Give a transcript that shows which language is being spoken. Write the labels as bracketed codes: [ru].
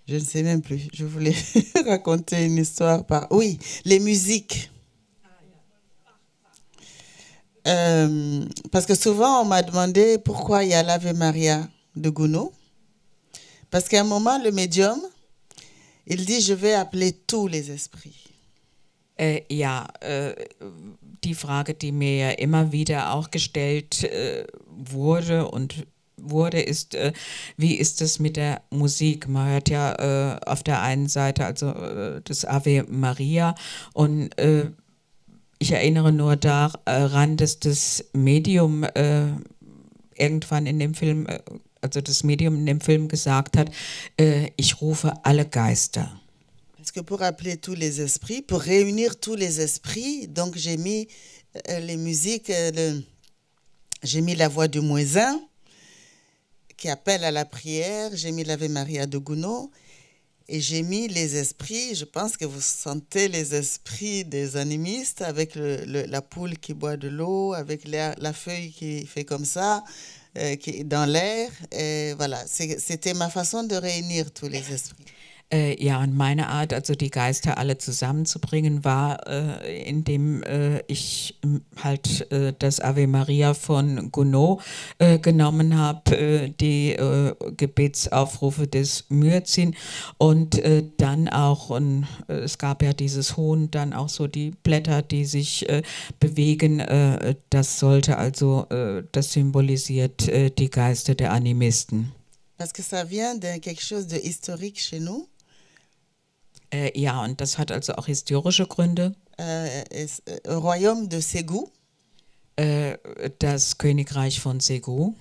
[fr] Je voulais raconter une histoire par. Oui, les musiques. Parce que souvent, on m'a demandé pourquoi il y a l'Ave Maria de Gounod. Parce qu'à un moment, le médium, il dit, je vais appeler tous les esprits. [de] Ja, die Frage, die mir immer wieder auch gestellt wurde und wurde, ist, wie ist es mit der Musik? Man hört ja auf der einen Seite also das Ave Maria und ich erinnere nur daran, dass das Medium irgendwann in dem Film, also das Medium in dem Film gesagt hat, ich rufe alle Geister. [fr] Parce que pour appeler tous les esprits, pour réunir tous les esprits, donc j'ai mis les musiques, j'ai mis la voix du Muezzin qui appelle à la prière, j'ai mis l'Ave Maria de Gounod. Et j'ai mis les esprits, je pense que vous sentez les esprits des animistes avec la poule qui boit de l'eau, avec la feuille qui fait comme ça, qui est dans l'air. Et voilà, c'était ma façon de réunir tous les esprits. [de] Ja, und meine Art, also die Geister alle zusammenzubringen, war, indem ich halt das Ave Maria von Gounod genommen habe, die Gebetsaufrufe des Muezzin und dann auch, und es gab ja dieses Huhn, dann auch so die Blätter, die sich bewegen, das sollte also, das symbolisiert die Geister der Animisten. [fr] Parce que ça vient de quelque chose de historique chez nous. [de] Ja, und das hat also auch historische Gründe. [fr] Royaume de Ségou. [de] Das Königreich von Ségou.